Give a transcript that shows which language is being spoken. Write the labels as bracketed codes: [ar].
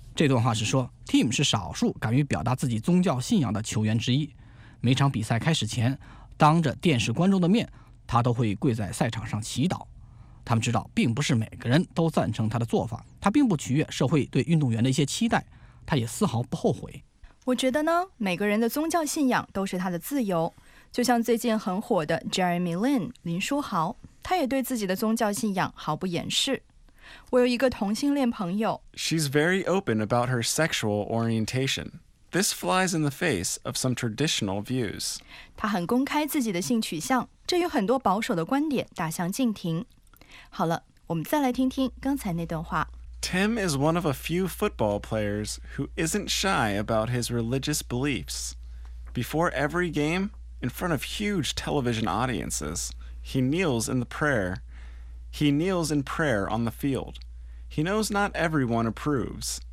[zh] 这段话是说 ,Tim 是少数敢于表达自己宗教信仰的球员之一。每场比赛开始前，当着电视观众的面，他都会跪在赛场上祈祷。他们知道并不是每个人都赞成他的做法，他并不取悦社会对运动员的一些期待，他也丝毫不后悔。我觉得呢，每个人的宗教信仰都是他的自由。就像最近很火的 Jeremy Lin 林书豪，他也对自己的宗教信仰毫不掩饰。我有一个同性恋朋友。 [en] She's very open about her sexual orientation. This flies in the face of some traditional views. [zh] 她很公开自己的性取向，这与很多保守的观点大相径庭。好了，我们再来听听刚才那段话。 [en] Tim is one of a few football players who isn't shy about his religious beliefs. Before every game, in front of huge television audiences, he kneels in prayer on the field. He knows not everyone approves.